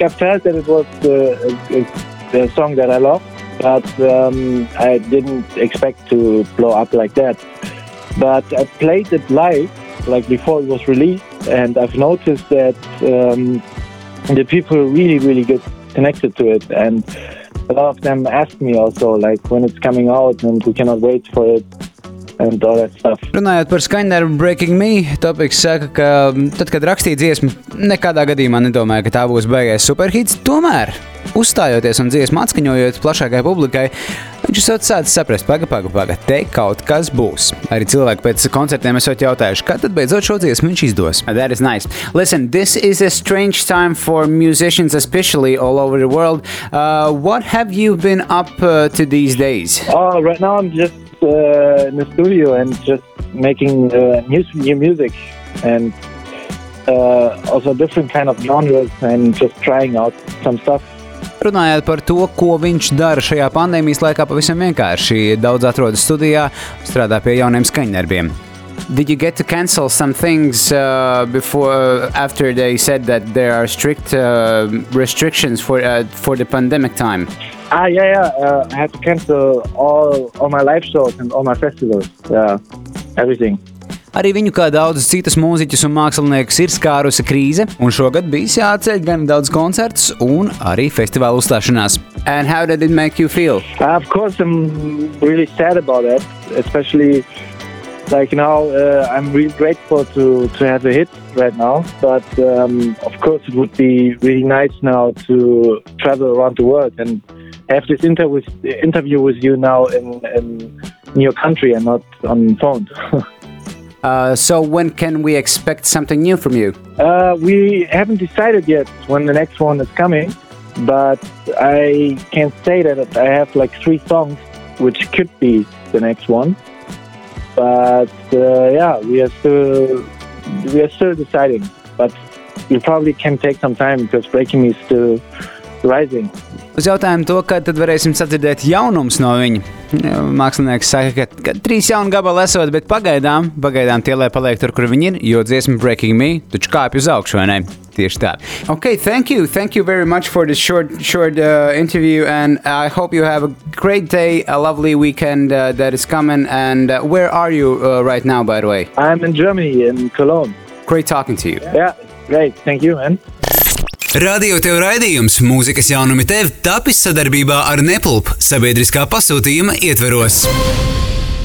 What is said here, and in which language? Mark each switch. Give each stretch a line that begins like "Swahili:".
English: I felt that it was the song that I love, but I didn't expect to blow up like that. But I played it live, like before it was released, and I've noticed that. The people really, really get connected to it, and a lot of them ask me also, like, when it's coming out, and we cannot wait for it. And all that stuff.
Latvian: Runājot par skaņdarbu Breaking Me, Topix saka, ka tad, kad rakstīja dziesmu, nekādā gadījumā nedomāja, ka tā būs baigais superhits. Tomēr, uzstājoties un dziesmu atskaņojot plašākai publikai, viņš esot sācis saprast, paga, te kaut kas būs. Arī cilvēki pēc koncertiem esot jautājuši, kad tad beidzot šo dziesmu viņš izdos.
English: That is nice. Listen, this is a strange time for musicians, especially all over the world. What have you been up to these days? Right now I'm just in the studio and just making new music and also different kind of genres and just trying out some stuff.
Latvian: Runājot par to, ko viņš dara šajā pandēmijas laikā, pavisam vienkārši daudz atrodas studijā, strādā pie jauniem skaņdarbiem.
English: Did you get to cancel some things after they said that there are strict restrictions for the pandemic time? I had to cancel all my live shows and all my festivals, everything.
Latvian: Arī viņu kā daudz citas mūziķus un mākslinieks ir skārusi krīze, un šogad bijis jāatceļ gan daudz koncerts un arī festivālu uzstāšanās.
English: And how did it make you feel? Of course, I'm really sad about that, especially like now I'm really grateful to have a hit right now, but of course it would be really nice now to travel around the world and have this interview with you now in your country and not on phone. So when can we expect something new from you? We haven't decided yet when the next one is coming, but I can say that I have like 3 songs which could be the next one. But we are still deciding, but you probably can take some time because Breaking Me is still rising.
Latvian: Uz jautājumu to, kad tad varēsim sadzirdēt jaunumus no viņa. Mākslinieks saka, ka 3 jauni gabali esot, bet pagaidām tie, lai paliek tur, kur viņi ir, jo dziesma Breaking Me taču kāpj uz augšu, vai ne? Tieši tā.
English: Okay, thank you very much for this short interview, and I hope you have a great day, a lovely weekend that is coming, and where are you right now, by the way? I'm in Germany, in Cologne. Great talking to you. Yeah, great, thank you, man.
Latvian: Radio tev raidījums, mūzikas jaunumi tev, tapis sadarbībā ar Neplup, sabiedriskā pasūtījuma ietveros.